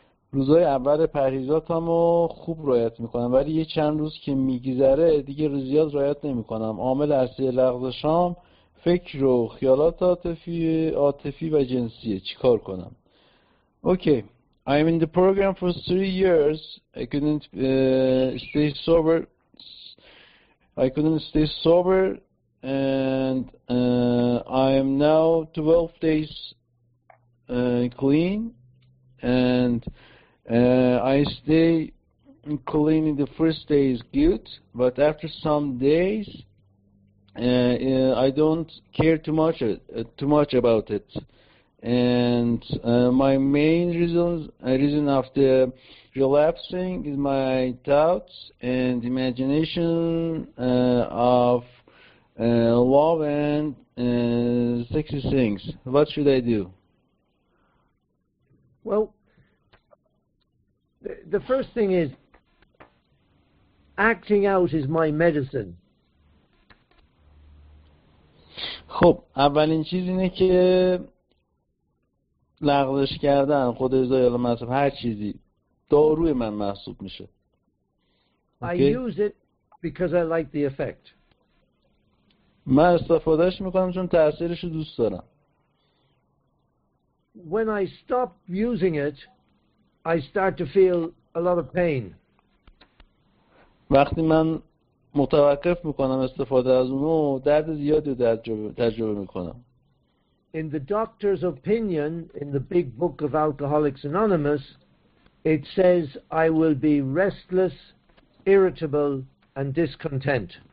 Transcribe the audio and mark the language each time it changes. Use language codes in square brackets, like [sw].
[fa] روزای اول پرهیزاتم رو خوب رعایت میکنم، ولی یه چند روز که میگذره دیگه زیاد رعایت نمیکنم. عامل اصلی لغزشام فکر و خیالات عاطفی و جنسیه، چیکار کنم؟ اوکی، [en] I'm in the program for 3 years. I couldn't stay sober and I'm now 12 days clean, and I stay clean in the first days good, but after some days I don't care too much about it. And my main reason after relapsing is my doubts and imagination of love and sexy things. What should I do? Well, the first thing is, acting out is my medicine. [fa] خب اولین چیز اینه که لغزش کردن خود ازایال مصب هر چیزی داروی من محسوب میشه. [en] Okay. I use it because I like the effect. [fa] من استفادهش میکنم چون تأثیرش رو دوست دارم. [en] When I stop using it, I start to feel a lot of pain. [fa] وقتی من متوقف میکنم استفاده از اونو درد زیادی تجربه میکنم. [en] In the doctor's opinion, in the big book of Alcoholics Anonymous, it says I will be restless, irritable, and discontent.